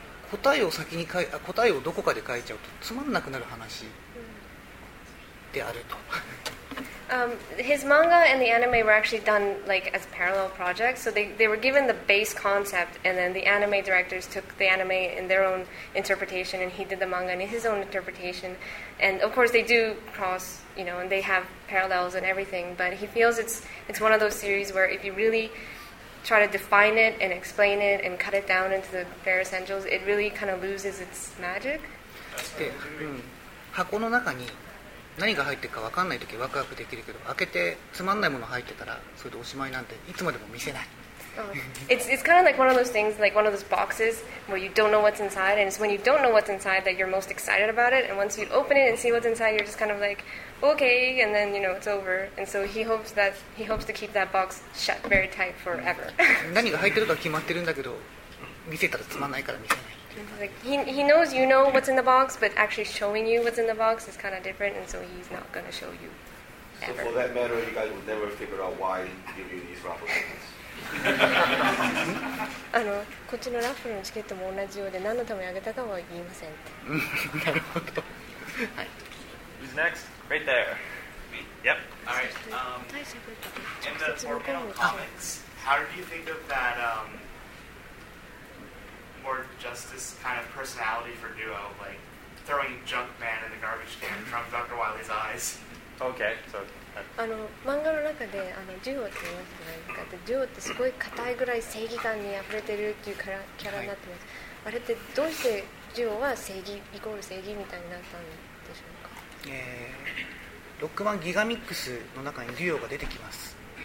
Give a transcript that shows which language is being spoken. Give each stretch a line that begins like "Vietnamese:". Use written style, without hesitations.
Japanese: 答えをどこかで書いちゃうとつまんなくなる話であると。
English: His manga and the anime were actually done like as parallel projects, so they were given the base concept, and then the anime directors took the anime in their own interpretation, and he did the manga in his own interpretation. And of course, they do cross, you know, and they have parallels and everything. But he feels it's one of those series where if you really try to define it and explain it and cut it down into the various angels, it really kind of loses its magic.
Japanese: で、うん、箱の中に何が入ってるか分かんないときワクワクできるけど、開けてつまんないもの入ってたらそれでおしまいなんていつまでも見せない。
English: It's kind of like one of those things, like one of those boxes where you don't know what's inside, and it's when you don't know what's inside that you're most excited about it, and once you open it and see what's inside, you're just kind of like, okay, and then, you know, it's over. And so he hopes to keep that box shut very tight forever.
Japanese: 何が入ってるか決まってるんだけど、見せたらつまんないから見せない。
English: Like, he knows you know what's in the box, but actually showing you what's in the box is kind of different, and so he's not going to show you ever. So for that matter, you guys would never figure out why he gave you these raffle tickets.
Japanese: あのこっちのラッフルのチケットも同じようで何のためにあげたかは言いませんなるほど
English: Who's next? Right there Me? Yep Alright In the Orpano comics How do you think of that more justice kind of personality for Duo like throwing junk man in the garbage can from Dr. Wily's eyes Okay, so
Japanese: あの漫画の中でデュオって言いますよね。デュオってすごい硬いぐらい正義感に溢れてるっていうキャラになってます、はい、あれってどうしてデュオは正義イコール正義みたいになったんでしょうか、ロックマンギガミックスの中にデュオが出てきます。